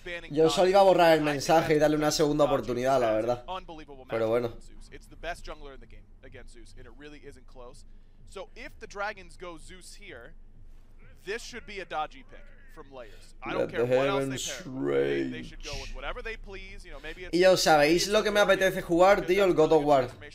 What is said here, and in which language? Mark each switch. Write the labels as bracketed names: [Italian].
[Spanish] Yo solo iba a borrar el mensaje y darle una segunda oportunidad, la verdad. Pero bueno. [English] It's the best jungler in the game against Zeus, and it really isn't close. So if the Dragons go Zeus here, this should be a dodgy pick. From layers. I don't care what else they pair. They should go with whatever they please. You know, maybe it's. [Spanish] Y yo sabéis lo que me apetece jugar, tío, el God of War.